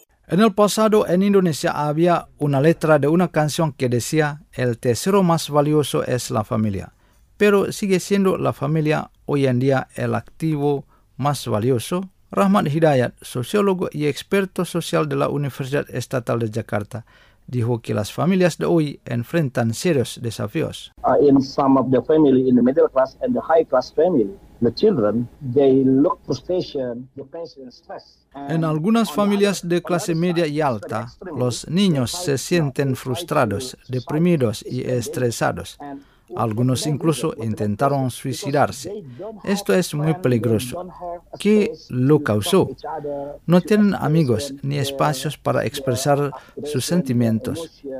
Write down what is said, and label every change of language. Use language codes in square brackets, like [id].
[es] En el pasado, en Indonesia había una letra de una canción que decía: el tesoro más valioso es la familia. Pero sigue siendo la familia hoy en día el activo más valioso. Rahmat Hidayat, sociólogo y experto social de la Universidad Estatal de Jakarta, dijo que las familias de hoy enfrentan serios desafíos. [en] In some of the family, in the middle class and the high class family, the children, they look frustration, depression, stress. [es] En algunas familias de clase media y alta, los niños se sienten frustrados, deprimidos y estresados. Algunos incluso intentaron suicidarse. Esto es muy peligroso. ¿Qué lo causó? No tienen amigos ni espacios para expresar sus sentimientos.